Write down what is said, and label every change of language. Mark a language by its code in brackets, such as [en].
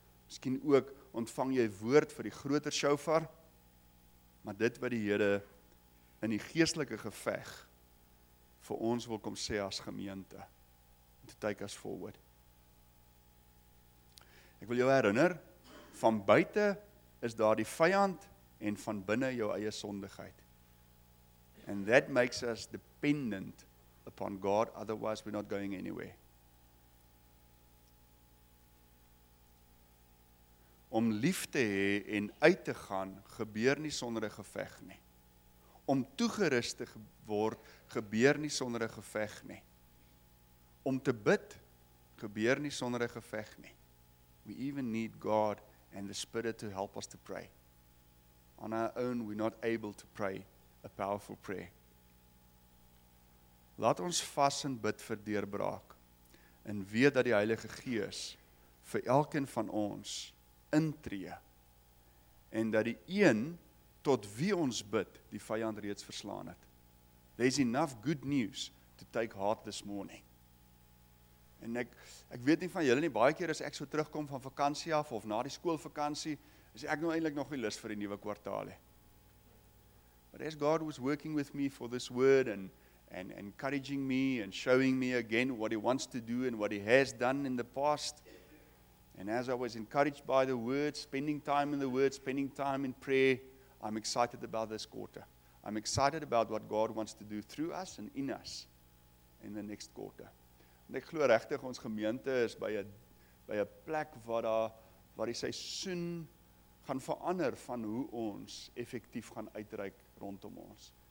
[af] Miskien ook ontvang jy woord vir die groter shofar, maar dit wat die Here in die geestelike geveg vir ons wil kom sê as gemeente, to take us forward. Ek wil jou herinner, van buite is daar die vijand en van binne jou eie sondigheid. [en] And that makes us dependent upon God, otherwise we're not going anywhere. [af] Om lief te hê en uit te gaan, gebeur nie sonder 'n geveg nie. Om toegerus te word, gebeur nie sonder 'n geveg nie. Om te bid, gebeur nie sonder 'n geveg nie. [en] We even need God and the Spirit to help us to pray. On our own, we're not able to pray a powerful prayer. [af] Laat ons vas en bid vir deurbraak en weet dat die Heilige Gees vir elkeen van ons intree en dat die een tot wie ons bid die vijand reeds verslaan het. [en] There's enough good news to take heart this morning. [af] En ek weet nie van julle nie, baie keer as ek so terugkom van vakansie af of na die skoolvakansie, is ek nou eintlik nog nie lus vir die nuwe kwartaal nie. [en] But as God was working with me for this word and encouraging me and showing me again what he wants to do and what he has done in the past, and as I was encouraged by the word, spending time in the word, spending time in prayer, I'm excited about this quarter. I'm excited about what God wants to do through us and in us in the next quarter. [af] En ek glo regtig ons gemeente is by 'n plek waar die seisoen gaan verander van hoe ons effektief gaan uitreik rondom ons.